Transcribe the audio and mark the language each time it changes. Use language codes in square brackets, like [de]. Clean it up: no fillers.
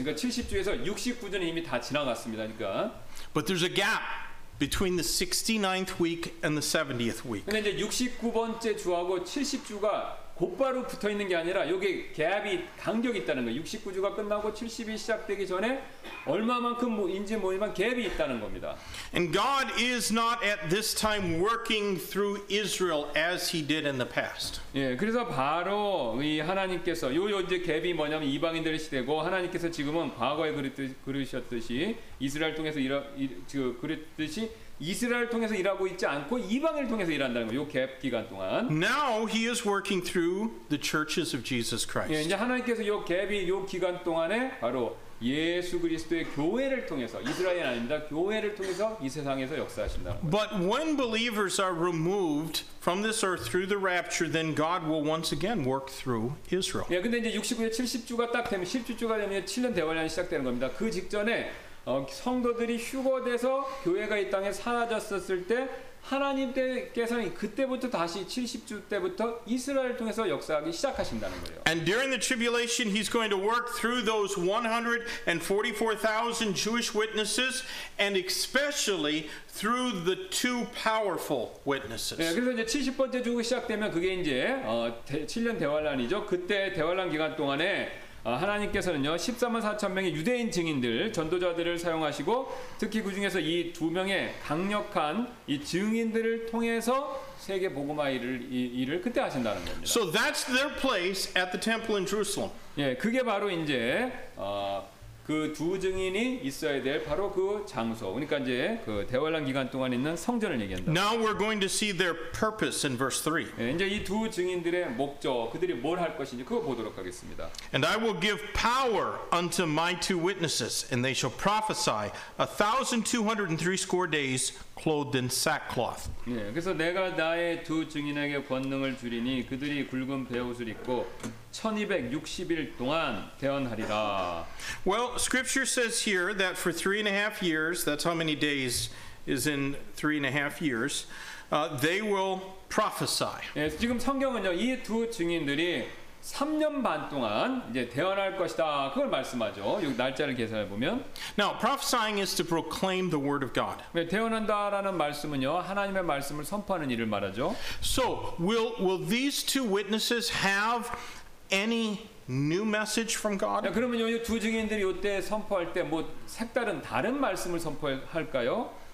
[ko] 네, 그러니까 70주에서 69주는 이미 다 지나갔습니다. 그러니까. [en] But there's a gap between the 69th week and the 70th week. [ko] 근데 이제 69번째 주하고 70주가 곧바로 붙어 있는 게 아니라 여기 갭이 간격이 있다는 거예요. 69주가 끝나고 70이 시작되기 전에 얼마만큼 인지 모이면 갭이 있다는 겁니다. [en] And God is not at this time working through Israel as he did in the past. [ko] 예, 그래서 바로 이 하나님께서 요 이제 갭이 뭐냐면 이방인들의 시대고 하나님께서 지금은 과거에 그러셨듯이 이스라엘 통해서 그랬듯이 이스라엘 통해서 일하고 있지 않고 이방인을 통해서 일한다는 거. 요 갭 기간 동안. [en] Now he is working through the churches of Jesus Christ. [ko] 예, 이제 하나님께서 요 갭이 요 기간 동안에 바로 예수 그리스도의 교회를 통해서 이스라엘 아닙니다. 교회를 통해서 이 세상에서 역사하신다. [en] But when believers are removed from this earth through the rapture, then God will once again work through Israel. [ko] 예, 근데 이제 69에 70주가 딱 되면 10주가 되면 7년 대환란이 시작되는 겁니다. 그 직전에 성도들이 휴거돼서 교회가 이 땅에 사라졌었을 때 하나님께서는 그때부터 다시 70주 때부터 이스라엘을 통해서 역사하기 시작하신다는 거예요. [en] And during the tribulation he's going to work through those 144,000 Jewish witnesses and especially through the two powerful witnesses. [ko] 네, 그래서 이제 70번째 주가 시작되면 그게 이제 7년 대환란이죠. 그때 대환란 기간 동안에 하나님께서는요 14만 4천 명의 유대인 증인들 전도자들을 사용하시고 특히 그 중에서 이 두 명의 강력한 이 증인들을 통해서 세계 복음화 일을 그때 하신다는 겁니다. [en] So that's their place at the temple in Jerusalem. [ko] 예, 그게 바로 이제 그 두 증인이 있어야 될 바로 그 장소. 그러니까 이제 그 대환란 기간 동안 있는 성전을 얘기한다. [en] Now we're going to see their purpose in verse 3. [ko] 예, 이제 이 두 증인들의 목적, 그들이 뭘 할 것인지 그거 보도록 하겠습니다. [en] And I will give power unto my two witnesses, and they shall prophesy 1,260 days clothed in sackcloth. [ko] 예, 그래서 내가 나의 두 증인에게 권능을 주리니 그들이 굵은 베옷을 입고 1260일 동안 대언하리라. [en] Well, scripture says here that for 3.5 years, that's how many days is in 3.5 years, they will prophesy. [ko] 예, 지금 성경은요, 이 두 증인들이 3년 반 동안 이제 대언할 것이다. 그걸 말씀하죠. 여기 날짜를 계산해 보면. [en] Now, prophesying is to proclaim the word of God. [ko] 네, 대언한다라는 말씀은요, 하나님의 말씀을 선포하는 일을 말하죠. [en] So, will these two witnesses have any new message from God? [ko] 야, 그러면 이 두 증인들이 이때 선포할 때 뭐 색다른 다른 말씀을 선포할까요?